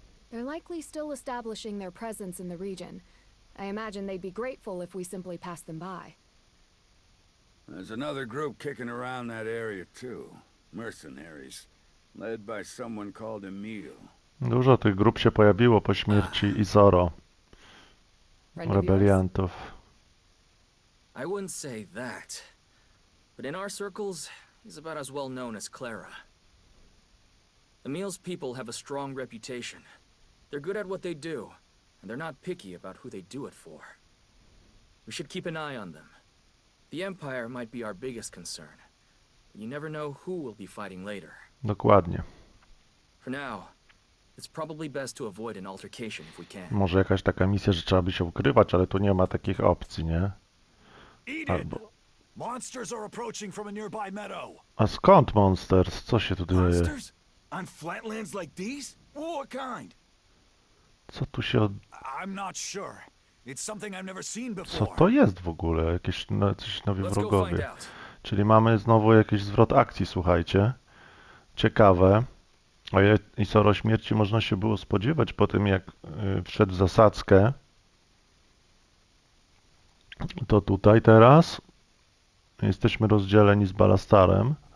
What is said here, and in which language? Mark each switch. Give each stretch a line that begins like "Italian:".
English: They're likely still establishing their presence in the region. I imagine they'd be grateful if we simply passed them by. There's another group kicking around that area too. Mercenaries. Led by someone called Emil.
Polish: Dużo tych grup się pojawiło po śmierci Izoro. Rebeliantów.
English: I wouldn't say that. But in our circles, he's about as well known as Clara. Emil's people have a strong reputation. They're good at what they do, and they're not picky about who they do it for. We should keep an eye on them. The Empire might be our biggest concern, but you never know who we'll be fighting later.
Polish: Dokładnie.
English: For now, it's probably best to avoid an altercation if we can.
Polish: Może jakaś taka misja, że trzeba by się ukrywać, ale tu nie ma takich opcji, nie? Albo...
English: Monsters are approaching from a nearby meadow.
Polish: A skąd monsters? Co się tu dzieje?
English: On flatlands like these? What kind?
Polish: Co tu się od...
English: I'm not sure. It's something I've never seen before.
Polish: Co to jest w ogóle? Jakieś coś nowi wrogowie. Czyli mamy znowu jakiś zwrot akcji, słuchajcie. Ciekawe. A Izoro śmierci można się było spodziewać po tym, jak wszedł w zasadzkę. To tutaj teraz. Jesteśmy rozdzieleni z Balastarem.